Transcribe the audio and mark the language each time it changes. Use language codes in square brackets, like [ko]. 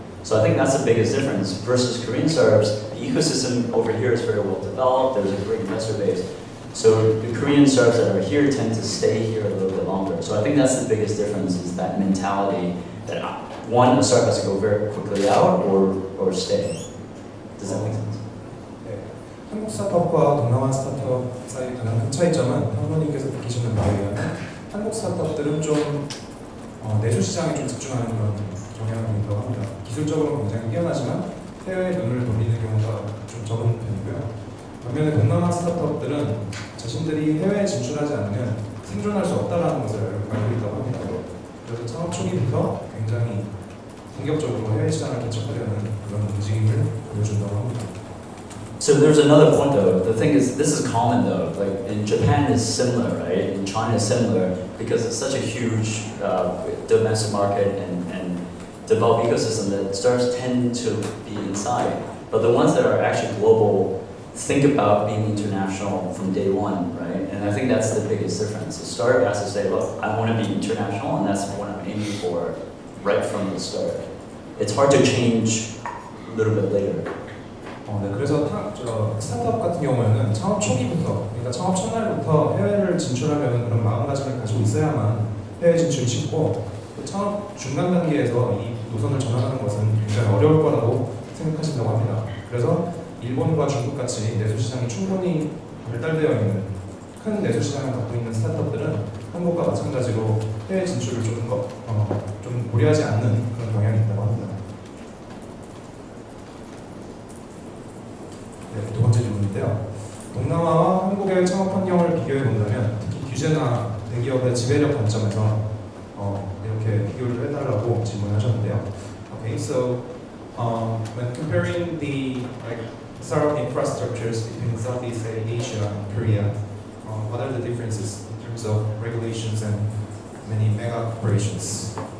[en] So I think that's the biggest difference versus Korean startups. The ecosystem over here is very well developed. There's a great investor base, so the Korean startups that are here tend to stay here a little bit longer. So I think that's the biggest difference is that mentality that one, a startup has to go very quickly out or stay. Does that make sense? [ko] 한국 스타트업과 동남아 스타트업 사이 가장 큰 차이점은 한분님께서 느끼시는 바에 한국 스타트업들은 좀 내수 시장에 좀 집중하는 그런 경향이 있다고 합니다. 기술적으로 굉장히 뛰어나지만 해외에 눈을 돌리는 경우가 좀 적은 편이고요. 반면에 동남아 스타트업들은 자신들이 해외에 진출하지 않으면 생존할 수 없다는 것을 알고 있다고 합니다. 그래서 창업 초기부터 굉장히 공격적으로 해외 시장을 개척하려는 그런 움직임을 보여준다고 합니다. [en] So there's another point though. The thing is, this is common though. Like in Japan is similar, right? In China is similar because it's such a huge domestic market and developed ecosystem that startups tend to be inside. But the ones that are actually global think about being international from day one, right? And I think that's the biggest difference. The startup has to say, look, I want to be international and that's what I'm aiming for right from the start. It's hard to change a little bit later. [ko] 네, 그래서 스타트업 같은 경우에는 창업 초기부터, 그러니까 창업 첫날부터 해외를 진출하려는 그런 마음가짐을 가지고 있어야만 해외 진출이 쉽고 창업 중간 단계에서 이 노선을 전환하는 것은 굉장히 어려울 거라고 생각하신다고 합니다. 그래서 일본과 중국같이 내수시장이 충분히 발달되어 있는 큰 내수시장을 갖고 있는 스타트업들은 한국과 마찬가지로 해외 진출을 좀 고려하지 않는 그런 경향이 있다고 합니다. 네, 두 번째 질문인데요. 동남아와 한국의 창업 환경을 비교해 본다면 특히 규제나 대기업 기업의 지배력 관점에서 이렇게 비교를 해달라고 질문하셨는데요. [en] Okay, so when comparing the startup infrastructures between Southeast Asia and Korea, what are the differences in terms of regulations and many mega corporations?